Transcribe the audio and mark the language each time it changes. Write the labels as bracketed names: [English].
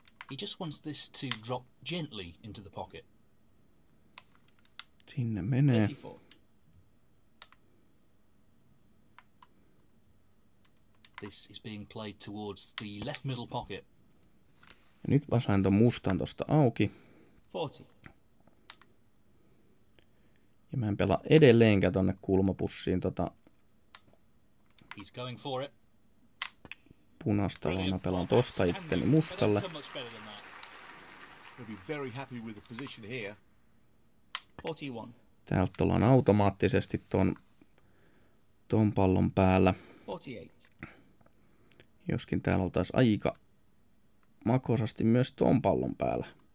[English] He just wants this to drop gently into the pocket. [Finnish] Sinne menee. [English] This is being played towards the left middle pocket. [Finnish] Ja nyt mä sain ton mustan tosta auki. 40. Ja mä en pelaa edelleenkään tonne kulmapussiin tota. [English] He's going for it. [Finnish] Punaista vaan mä pelaan tosta itteni mustalle. [English] He'll be very happy with the position here. [Finnish] 41. Täältä ollaan automaattisesti ton pallon päällä. 48. Joskin täällä oltais aika makosasti myös ton pallon päällä.